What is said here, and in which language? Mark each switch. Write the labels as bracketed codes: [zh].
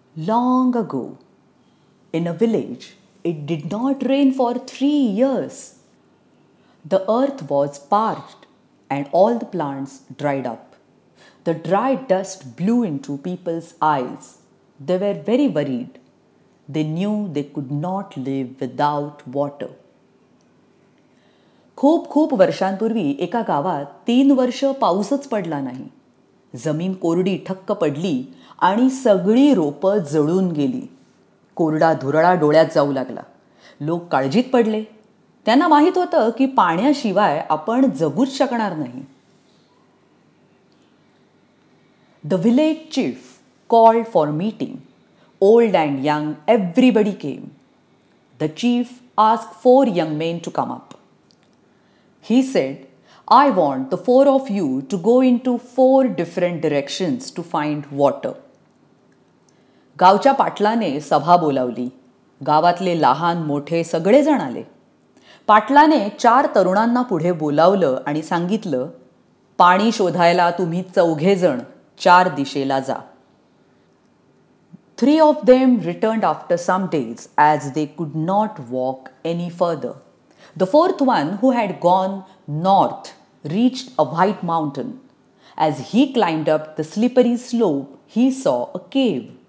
[en] Long ago, in a village, it did not rain for 3 years. The earth was parched and all the plants dried up. The dry dust blew into people's eyes. They were very worried. They knew they could not live without water. [mr] खूप खूप वर्षांपूर्वी एका गावात 3 वर्ष पाऊसच पडला नाही. जमीन कोरडी ठक्क पडली आणि सगळी रोपं जळून गेली. कोरडा धुरळा डोळ्यात जाऊ लागला. लोक काळजीत पडले. त्यांना माहीत होतं की पाण्याशिवाय आपण जगूच शकणार नाही. [en] The village chief called for meeting. Old and young everybody came. The chief ask 4 young men to come up. He said, I want the 4 of you to go into 4 different directions to find water. [mr] गावच्या पाटलाने सभा बोलावली. गावातले लहान मोठे सगळे जण आले. पाटलाने 4 तरुणांना पुढे बोलावलं आणि सांगितलं, पाणी शोधायला तुम्ही 4 जण 4 दिशेला जा. [en] 3 of them returned after some days as they could not walk any further. The 4th one, who had gone north, reached a white mountain. As he climbed up the slippery slope, he saw a cave.